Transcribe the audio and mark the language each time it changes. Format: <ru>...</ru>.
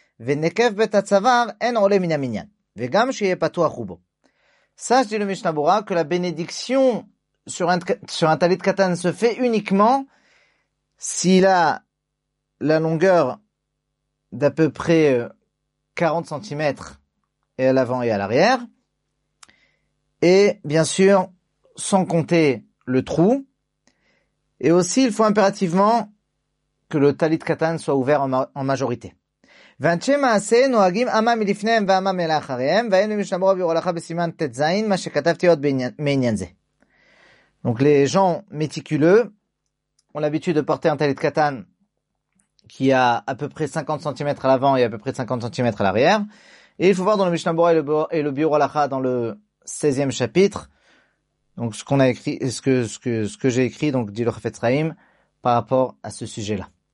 <he>ונקף בית הצוואר אין עולה מן המניין, וגם שיהיה פתוח רובו.</he> <fr>Sache, dit le Mishnah Berurah, que la bénédiction sur un talit katan se fait uniquement s'il a la longueur d'à peu près 40 cm et à l'avant et à l'arrière, et bien sûr, sans compter le trou, et aussi, il faut impérativement que le talit katan soit ouvert en majorité.</fr> <he>ואנשי מעשה נוהגים אמה מלפניהם ואמה מלאחריהם, ואין למשנה ברורה בירולכה בסימן ט"ז, מה שכתבתי עוד בעניין זה.</he> <fr>Donc les gens méticuleux ont l'habitude de porter un talit katan qui a à peu près 50 cm à l'avant et à peu près 50 cm à l'arrière. Et il faut voir dans le Mishnah Berurah et le Birolakha dans le 16e chapitre, donc ce qu'on a écrit, ce que j'ai écrit, donc dit le Chafetz Chaim, par rapport à ce sujet-là.</fr>